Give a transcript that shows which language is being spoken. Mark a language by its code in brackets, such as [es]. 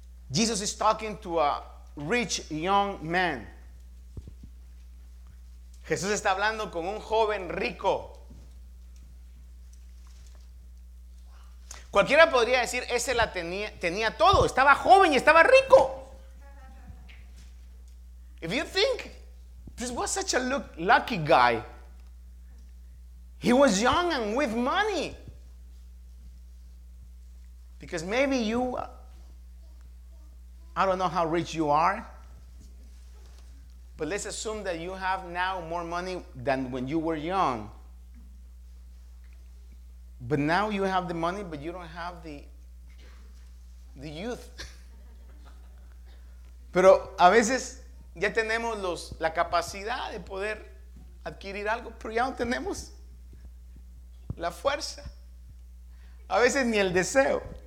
[en] Jesus is talking to a rich young man. [es] Jesús está hablando con un joven rico. Cualquiera podría decir, ese la tenía todo, estaba joven y estaba rico. [en] If you think, this was such a lucky guy. He was young and with money. Because maybe you, I don't know how rich you are, but let's assume that you have now more money than when you were young. But now you have the money, but you don't have the youth. [es] Pero a veces ya tenemos la capacidad de poder adquirir algo, pero ya no tenemos la fuerza. A veces ni el deseo.